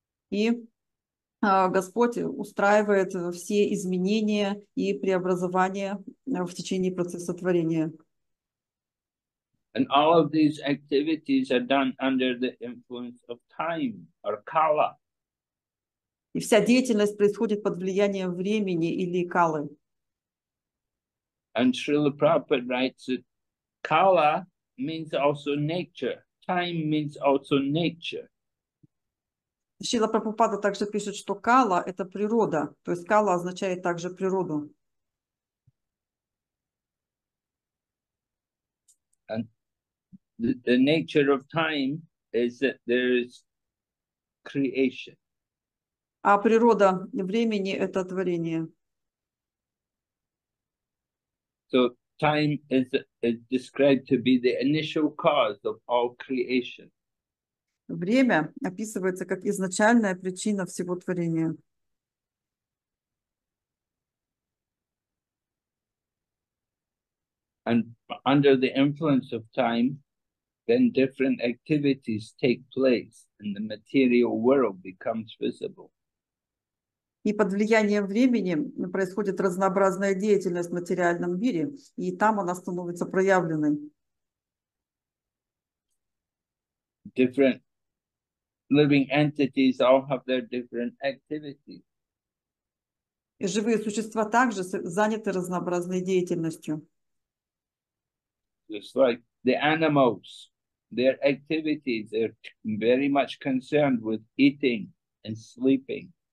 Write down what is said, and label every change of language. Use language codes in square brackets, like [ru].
[ru] И Господь устраивает все изменения и преобразования в течение процесса творения. [en] And all of these activities are done under the influence of time or kala. [ru] И вся деятельность происходит под влиянием времени или калы. [en] And Srila Prabhupada writes that kala means also nature. Time means also nature. [ru] Шрила Прабхупада также пишет, что кала – это природа. То есть кала означает также природу. [en] And the nature of time is that there is creation. [ru] А природа времени – это творение. [en] So time is described to be the initial cause of all creation. [ru] Время описывается как изначальная причина всего творения. [en] And under the influence of time, then different activities take place and the material world becomes visible. [ru] И под влиянием времени происходит разнообразная деятельность в материальном мире, и там она становится проявленной. [en] Different living entities all have their different activities. [ru] И живые существа также заняты разнообразной деятельностью. [en] Just like the animals, their activities are very much concerned with eating and sleeping.